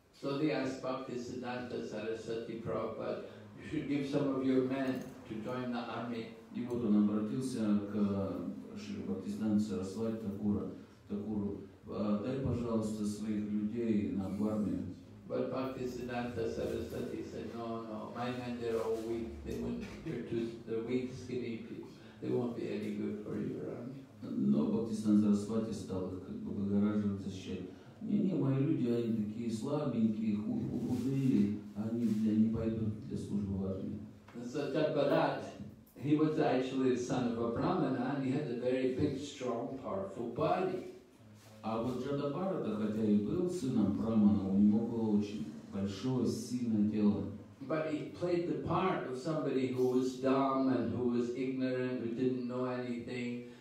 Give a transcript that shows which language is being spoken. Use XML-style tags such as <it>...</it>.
<en>So they asked Bhakti Siddhanta Sarasati Prabhupada, you should give some of your men to join the army.</en> <ru>И вот он обратился к Шри Бхакти Сиддханте Сарасвати Такуру, дай, пожалуйста, своих людей на армию.</ru> <en>But Bhakti Siddhanta Sarasati said, no, my men, they're all weak, they won't be too, they're weak, skinny people, they won't be any good for your army.</en> <ru>Но Бхакти Сиддханта Сарасвати стал их как бы выгораживать, защищать. Не, мои люди, они такие слабенькие, худые, они не пойдут для службы в армии.</ru> <en>So Jagbarat, he was actually the son of a brahmana, and he had a very big, strong, powerful body.</en> <ru>А вот Джадабарата, хотя и был сыном брахмана, у него было очень большое. такое сильное тело.</ru> <en>But he played the part of somebody who was dumb and who was ignorant, who didn't know anything.</en>